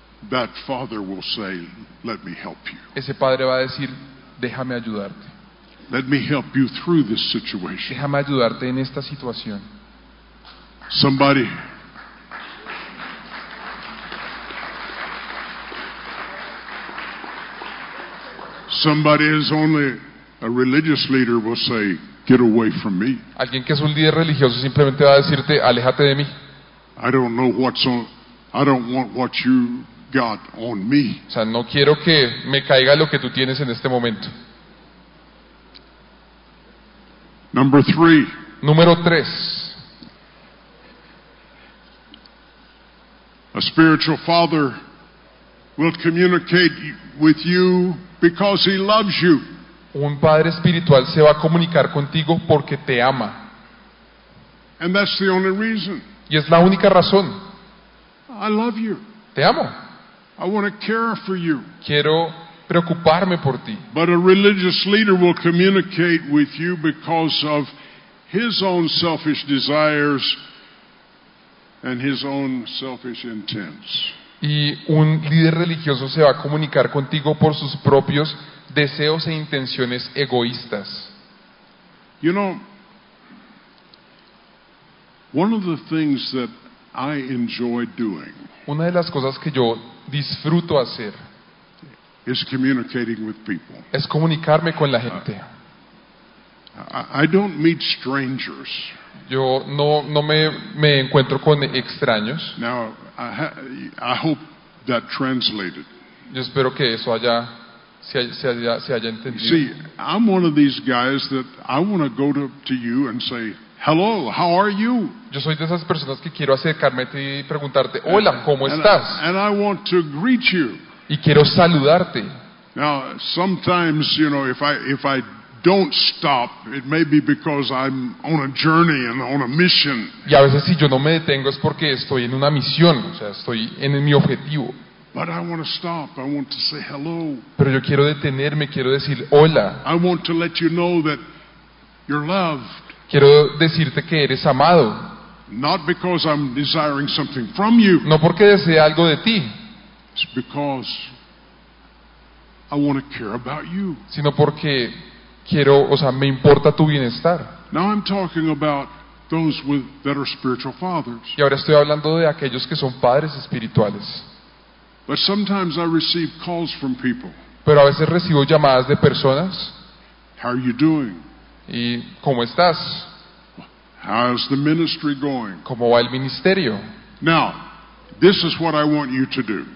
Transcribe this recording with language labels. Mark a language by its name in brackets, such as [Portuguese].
[English] that father will say, "Let me help you." [Spanish] Ese padre va a decir, "Déjame ayudarte." [English] Let me help you through this situation. [Spanish] Déjame ayudarte en esta situación. [English] Somebody. Somebody is only a religious leader will say, "Get away from me." [Spanish] Alguien que es un líder religioso simplemente va a decirte, "Aléjate de mí." [English] I don't know what's on. I don't want what you got on me. [Spanish] O sea, no quiero que me caiga lo que tú tienes en este momento. [English] Number three. [Spanish] Número tres. [English] A spiritual father will communicate with you because he loves you. [Spanish] Un padre espiritual se va a comunicar contigo porque te ama. [English] And that's the only reason. [Spanish] Y es la única razón. [English] I love you. [Spanish] Te amo. [English] I want to care for you. [Spanish] Quiero preocuparme por ti. [English] But a religious leader will communicate with you because of his own selfish desires and his own selfish intents. [Spanish] Y un líder religioso se va a comunicar contigo por sus propios deseos e intenciones egoístas. [English] You know, one of the things that I enjoy doing. [Spanish] Una de las cosas que yo disfruto hacer [English] is communicating with people. [Spanish] Es comunicarme con la gente. [English] I don't meet strangers. [Spanish] Yo no me encuentro con extraños. [English] Now, I hope that translated. [Spanish] Yo espero que eso haya se haya entendido. [English] See, I'm one of these guys that I want to go to you and say, "Hello, how are you?" [Spanish] Yo soy de esas personas que quiero acercarme a ti y preguntarte, "Hola, ¿cómo estás?" [English] And I want to greet you. [Spanish] Y quiero saludarte. [English] Now, sometimes, you know, if I don't stop, it may be because I'm on a journey and on a mission. [Spanish] Y a veces si yo no me detengo es porque estoy en una misión, o sea, estoy en mi objetivo. [English] But I want to stop. I want to say hello. [Spanish] Pero yo quiero detenerme, quiero decir hola. [English] I want to let you know that You're loved. [Spanish] Quiero decirte que eres amado. [English] Not because I'm desiring something from you. [Spanish] No porque desee algo de ti. [English] It's because I want to care about you. [Spanish] Sino porque quiero, o sea, me importa tu bienestar. [English] Now I'm talking about those with that are spiritual fathers. [Spanish] Y ahora estoy hablando de aquellos que son padres espirituales. [English] But sometimes I receive calls from people. [Spanish] Pero a veces recibo llamadas de personas. [English] How are you doing? [Spanish] ¿Y cómo estás? [English] How's the ministry going? [Spanish] ¿Cómo va el ministerio? [English] Now, this is what I want you to do.